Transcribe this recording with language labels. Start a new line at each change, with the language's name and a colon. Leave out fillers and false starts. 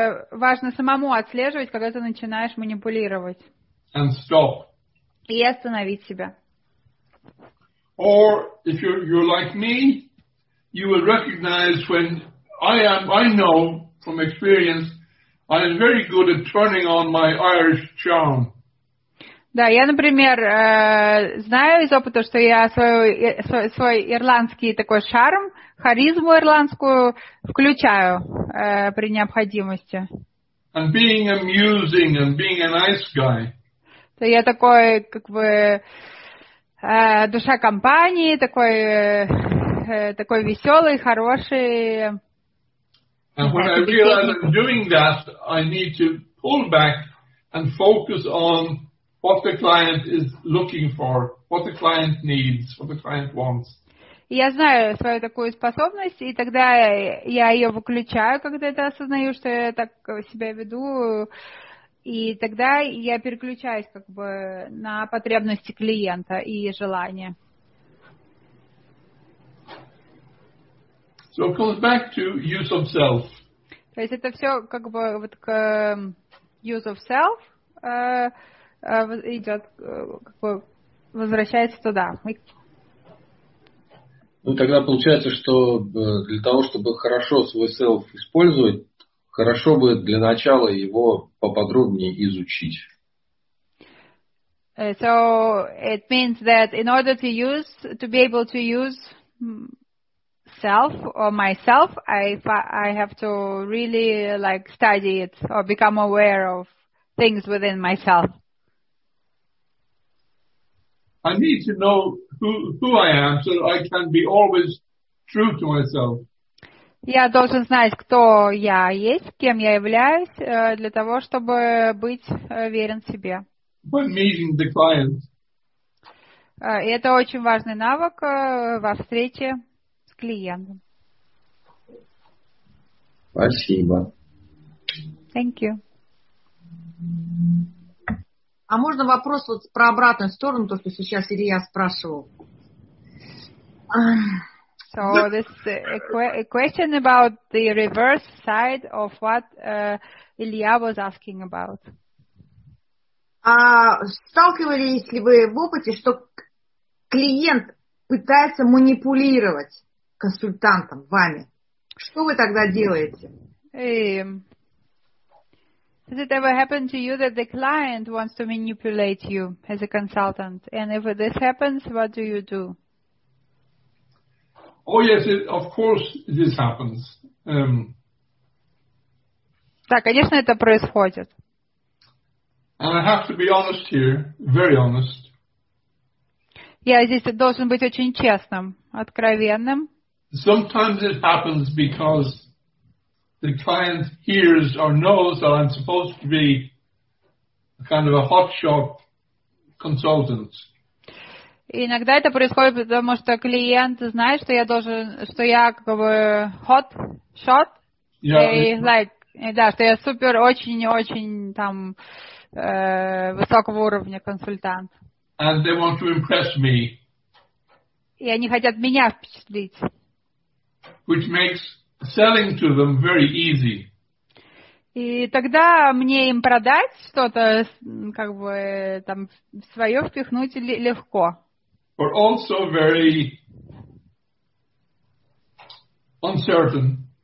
Russian: Важно самому отслеживать, когда ты начинаешь манипулировать.
English: And stop.
Russian: И остановить себя.
English: Or if you're like me, you will recognize when I know from experience. I am very good at turning on my Irish charm.
Russian: Да, я, например, знаю из опыта, что я свой ирландский такой шарм, харизму ирландскую включаю при необходимости.
English: And being amusing and being a nice guy.
Russian: То я такой, как бы, душа компании, такой, такой веселый, хороший.
English: And when I realize I'm doing that, I need to pull back and focus on what the client is looking for, what the client needs, what the client wants.
Russian: Я знаю свою такую способность, и тогда я ее выключаю, когда это осознаю, что я так себя веду, и тогда я переключаюсь как бы на потребности клиента и желания.
English: So it comes back to use of self.
Russian: То есть это все как бы вот к use of self идет, как бы возвращается туда. Ну тогда получается, что для того, чтобы хорошо свой self использовать, хорошо бы для начала его поподробнее изучить.
English: So it means that in order to use, to be able to use self or myself, I have to really like study it or become aware of things within myself. I need to know who I am so that I can be always true to myself.
Russian: Я должен знать, кто я есть, кем я являюсь, для того, чтобы быть верен себе.
English: When meeting the client.
Russian: И это очень важный навык во встрече. Клиент. Спасибо.
English: Thank you.
Russian: А можно вопрос вот про обратную сторону, то, что сейчас Илья спрашивал?
English: So this a question about the reverse side of what Илья was asking about.
Russian: А сталкивались ли вы в опыте, что клиент пытается манипулировать консультантом, вами? Что вы тогда делаете?
English: Has it ever happened to you that the client wants to manipulate you as a consultant? And if this happens, what do you do? Oh, yes, of course this happens.
Russian: Да, конечно, это происходит.
English: And I have to be honest here, very honest.
Russian: Я здесь должен быть очень честным, откровенным.
English: Sometimes it happens because the client hears or knows that I'm supposed to be kind of a hotshot consultant.
Russian: Иногда это происходит, потому что клиент знает, что я должен, что я как бы hot shot, что я супер очень там высокого уровня консультант.
English: And they want to impress me.
Russian: И они хотят меня впечатлить.
English: Which makes selling to them very easy.
Russian: И тогда мне им продать что-то, как бы там свое впихнуть легко.
English: But also very uncertain.